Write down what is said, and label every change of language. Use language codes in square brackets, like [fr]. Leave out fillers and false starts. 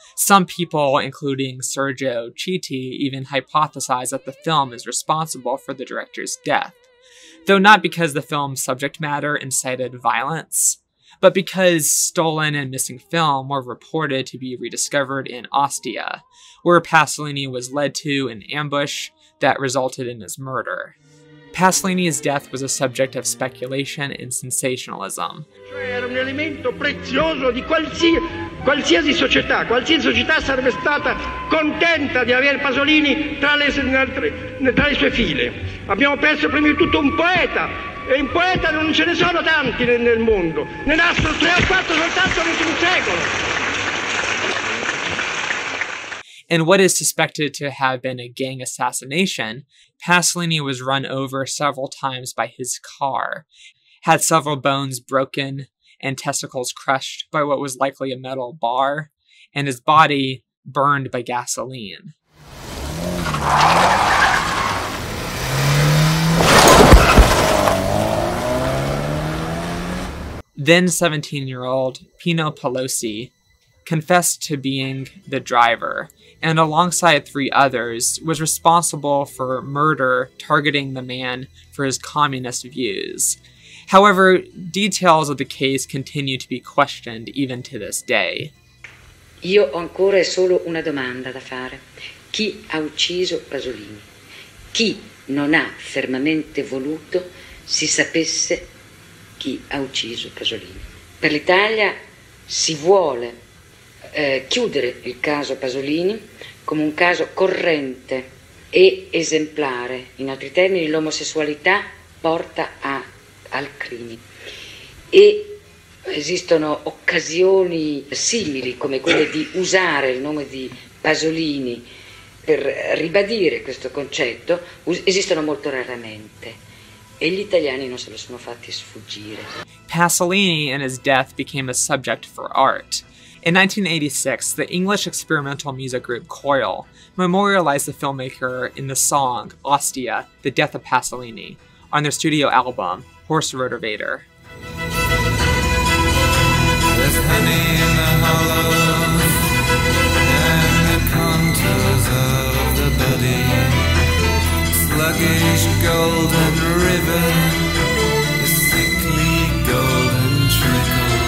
[en] Some people, including Sergio Chiti, even hypothesize that the film is responsible for the director's death, though not because the film's subject matter incited violence, but because stolen and missing film were reported to be rediscovered in Ostia, where Pasolini was led to an ambush that resulted in his murder. Pasolini's death was a subject of speculation and sensationalism. [it] Era un elemento prezioso di qualsiasi società. Qualsiasi società sarebbe stata contenta di avere Pasolini tra le sue file. Abbiamo perso prima di tutto un poeta, e in poeta non ce ne sono tanti nel mondo. Ne nascono tre o quattro soltanto in un secolo. [en] In what is suspected to have been a gang assassination, Pasolini was run over several times by his car, had several bones broken and testicles crushed by what was likely a metal bar, and his body burned by gasoline. Then 17-year-old Pino Pelosi confessed to being the driver, and alongside three others, was responsible for murder targeting the man for his communist views. However, details of the case continue to be questioned even to this day. [it] Io ho ancora solo una domanda da fare. Chi ha ucciso Pasolini? Chi non ha fermamente voluto si sapesse chi ha ucciso Pasolini? Per l'Italia si vuole chiudere il caso Pasolini come un caso corrente e esemplare. In altri termini, l'omosessualità porta al crimine. E esistono occasioni simili come quelle di usare il nome di Pasolini per ribadire questo concetto, esistono molto raramente. E gli italiani non se lo sono fatti sfuggire. [en] Pasolini and his death became a subject for art. In 1986, the English experimental music group Coil memorialized the filmmaker in the song Ostia, The Death of Pasolini, on their studio album, Horse Rotovator. Sluggish golden river, sickly golden trickle.